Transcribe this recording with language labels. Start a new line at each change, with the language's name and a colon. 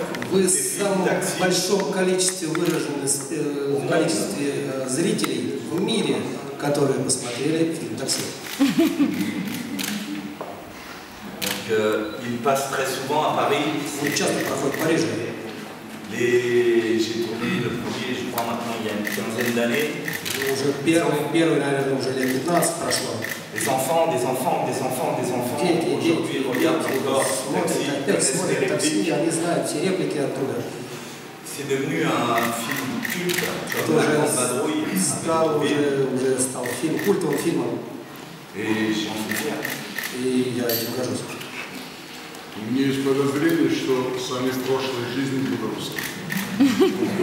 Russian: вы в самом большом количестве выражены в количестве зрителей в мире, которые посмотрели фильм «Такси».
French: Donc, il passe très souvent à Paris.
Russian: Он часто проходит в Париже.
French: J'ai tourné le premier, je crois maintenant, il y a une quinzaine d'années.
Russian: Уже первый, наверное, уже лет 15 прошло.
French: Des enfants. Дети, aujourd'hui, regardent encore.
Russian: Смотрят такси, они знают все реплики оттуда.
French: C'est devenu un film culte.
Russian: Это уже стал фильм, культовым фильмом.
French: Et j'en suis fier.
Russian: И я этим горжусь. У меня есть подозрение, что сами из прошлой жизни не